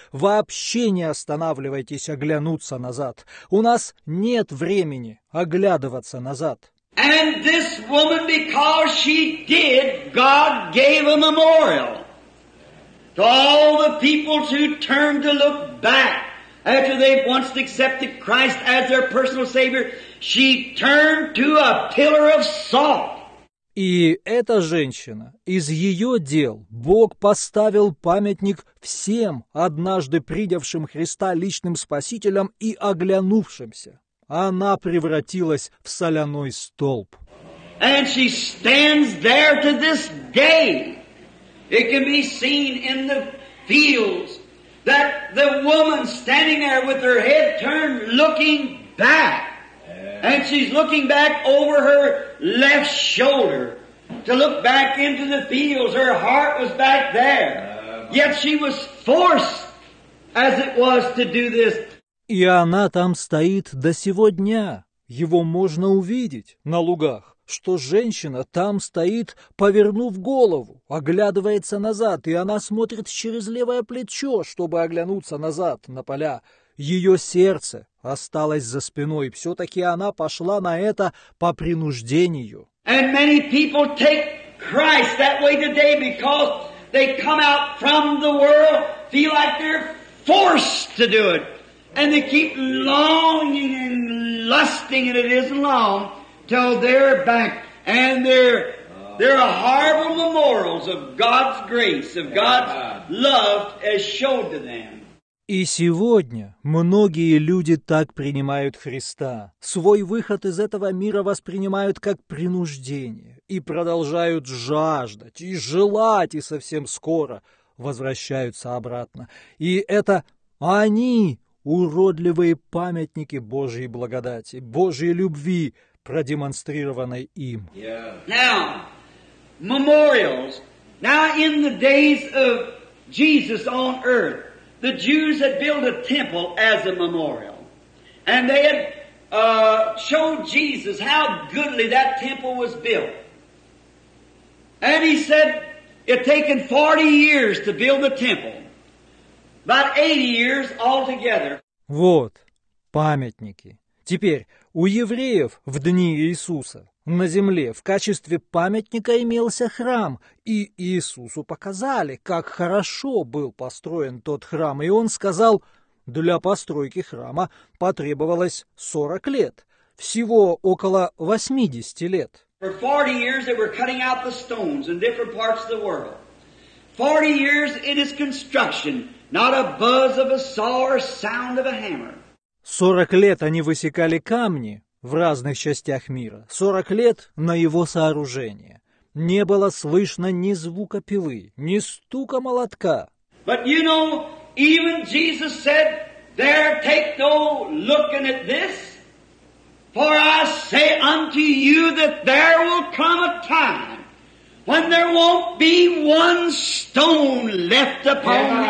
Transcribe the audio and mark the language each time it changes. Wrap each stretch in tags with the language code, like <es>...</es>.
<ru>Вообще не останавливайтесь оглянуться назад. У нас нет времени оглядываться назад.</ru> <en>And this woman, because she did, God gave a memorial. To all the people to turn to look back after they've once accepted Christ as their personal Savior, she turned to a pillar of salt.</en> <ru>И эта женщина, из ее дел Бог поставил памятник всем однажды придявшим Христа личным спасителям и оглянувшимся. Она превратилась в соляной столб.</ru> <en>And she stands there to this day. It can be seen in the fields that the woman standing there with her head turned looking back. And she's looking back over her left shoulder to look back into the fields. Her heart was back there. Yet she was forced as it was to do this.</en> <ru>И она там стоит до сего дня. Его можно увидеть на лугах. Что женщина там стоит, повернув голову, оглядывается назад, и она смотрит через левое плечо, чтобы оглянуться назад на поля. Ее сердце осталось за спиной, все-таки она пошла на это по принуждению.</ru> <en>And many people take Christ that way today because they come out from the world, feel like they're forced to do it. And they keep longing and lusting, and it isn't long. Till they're back, and there are horrible memorials of God's grace, of God's love as showed to them.</en> <ru>И сегодня многие люди так принимают Христа. Свой выход из этого мира воспринимают как принуждение и продолжают жаждать и желать, и совсем скоро возвращаются обратно. И это они, уродливые памятники Божьей благодати, Божьей любви, продемонстрированной им.</ru> <en>Yeah. Now, memorials. Now, in the days of Jesus on earth, the Jews had built a temple as a memorial. And they had showed Jesus how goodly that temple was built. And he said, it had taken 40 years to build the temple. About 80 years altogether.</en> <ru>Вот, памятники. Теперь, у евреев в дни Иисуса на земле в качестве памятника имелся храм, и Иисусу показали, как хорошо был построен тот храм, и он сказал, для постройки храма потребовалось 40 лет, всего около 80 лет.</ru> <en>For 40 years they were cutting out the stones in different parts of the world. 40 years it is construction, not a buzz of a saw or sound of a hammer.</en> <ru>40 лет они высекали камни в разных частях мира, 40 лет на его сооружение. Не было слышно ни звука пилы, ни стука молотка.</ru> <en>But you know, even Jesus said, there take no looking at this, for I say unto you that there will come a time when there won't be one stone left upon Amen.</en>